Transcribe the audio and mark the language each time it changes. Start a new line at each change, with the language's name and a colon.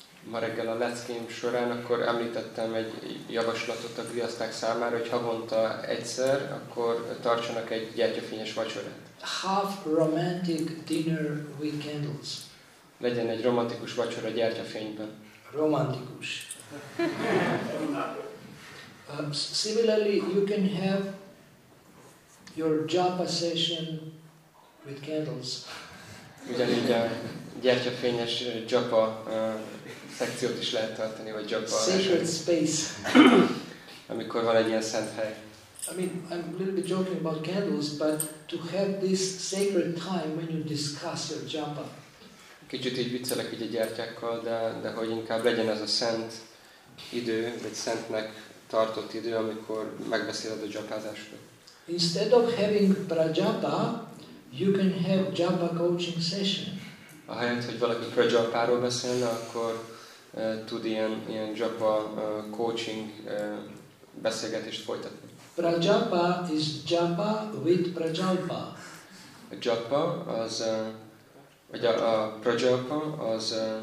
Hungarian: Ma reggel a leckém során akkor említettem egy javaslatot a Grihasták számára, hogy havonta egyszer, akkor tartsanak egy gyertyafényes vacsorát.
English: Half romantic dinner with candles.
Hungarian: Legyen egy romantikus vacsora gyertyafényben. Romantikus.
English: Similarly, you can have your japa session with candles.
Hungarian: Ugyanígy a gyertyafényes japa szekciót is lehet tartani, vagy japa.
English: Sacred space.
Hungarian: Amikor van egy ilyen szent hely.
English: I mean, I'm a little bit joking about candles, but to have this sacred time when you discuss your japa.
Hungarian: Kicsit így viccelek így a gyertyákkal, de hogy inkább legyen ez a szent idő, vagy szentnek tartott idő, amikor megbeszéled a japázásról.
English: Instead of having prajapa, you can have japa coaching session.
Hungarian: Ahelyett, hogy valaki prajapáról beszélne, akkor tud ilyen japa coaching beszélgetést folytatni.
English: Prajapa is japa with prajapa.
Hungarian: A japa az vagy a prajapa az